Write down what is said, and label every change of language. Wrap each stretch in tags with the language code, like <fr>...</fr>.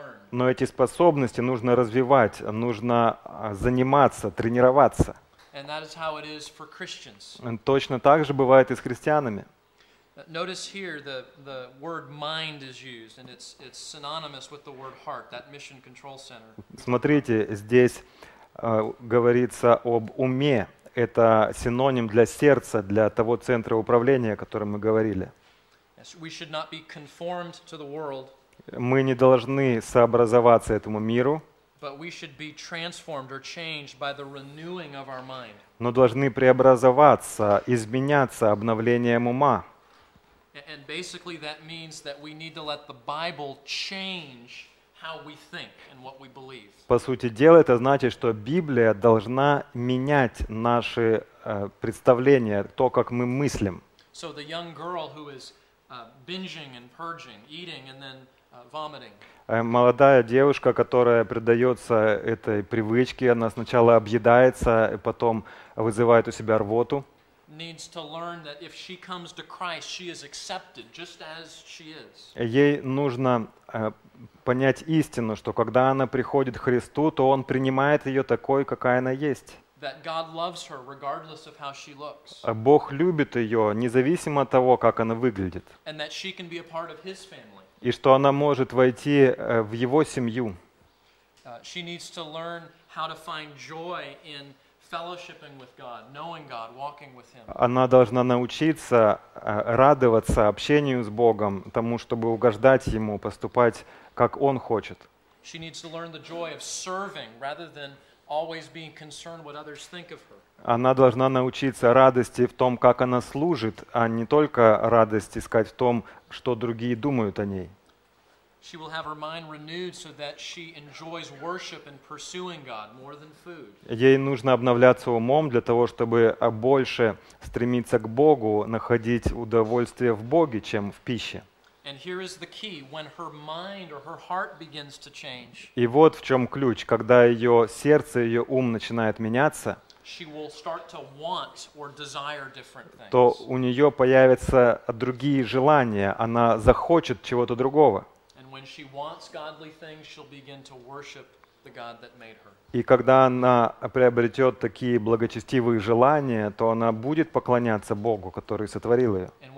<ru>Но эти способности нужно развивать, нужно заниматься, тренироваться.</ru> <en>And that is how it is for Christians.</en> <ru>Точно так же бывает и с христианами.</ru> <en>Notice here the word mind is used, and it's synonymous with the word heart, that mission control center.</en> <ru>Смотрите, здесь говорится об уме. Это синоним для сердца, для того центра управления, о котором мы говорили.</ru> <en>We should not be conformed to the world.</en> <ru>Мы не должны сообразоваться этому миру.</ru> <en>But we should be transformed or changed by the renewing of our mind.</en> <ru>Но должны преобразоваться, изменяться обновлением ума.</ru> <en>And basically that means that we need to let the Bible change how we think and what we believe.</en> <ru>По сути дела, это значит, что Библия должна менять наши представления, то, как мы мыслим.</ru> <en>So the young girl who is binging and purging, eating and then vomiting.</en> <ru>Молодая девушка, которая предается этой привычке, она сначала объедается, потом вызывает у себя рвоту.</ru> <en>Needs to learn that if she comes to Christ, she is accepted just as she is.</en> <ru>Ей нужно понять истину, что когда она приходит к Христу, то он принимает ее такой, какая она есть.</ru> <en>That God loves her regardless of how she looks.</en> <ru>Бог любит ее, независимо от того, как она выглядит.</ru> <en>And that she can be a part of his family.</en> <ru>И что она может войти в его семью.</ru> <en>She needs to learn how to find joy in fellowshipping with God, knowing God, walking with him.</en> <ru>Она должна научиться радоваться общению с Богом, тому, чтобы угождать ему, поступать, как он хочет.</ru> <en>She needs to learn the joy of serving rather than always being concerned what others think of her.</en> <ru>Она должна научиться радости в том, как она служит, а не только радость искать в том, что другие думают о ней.</ru> <en>She will have her mind renewed so that she enjoys worship and pursuing God more than food.</en> <ru>Ей нужно обновляться умом для того, чтобы больше стремиться к Богу, находить удовольствие в Боге, чем в пище.</ru> <en>And here is the key: when her mind or her heart begins to change.</en> <ru>И вот в чем ключ: когда ее сердце, ее ум начинает меняться.</ru> <en>She will start to want or desire different things.</en> <ru>То у нее появятся другие желания, она захочет чего-то другого.</ru> <en>And when she wants godly things, she'll begin to worship the God that made her.</en> <ru>И когда она приобретет такие благочестивые желания, то она будет поклоняться Богу, который сотворил ее.</ru>